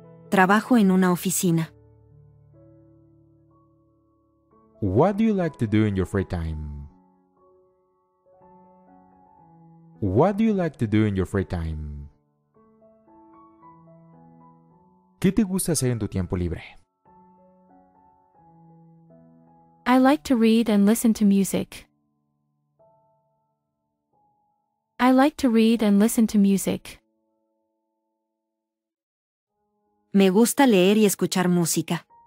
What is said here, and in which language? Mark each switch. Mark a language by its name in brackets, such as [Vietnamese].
[Spanish] Trabajo en una oficina. [English] What do you like to do in your free time? What do you like to do in your free time? [Spanish] ¿Qué te gusta hacer en tu tiempo libre? [English] I like to read and listen to music. I like to read and listen to music. [Spanish] Me gusta leer y escuchar música.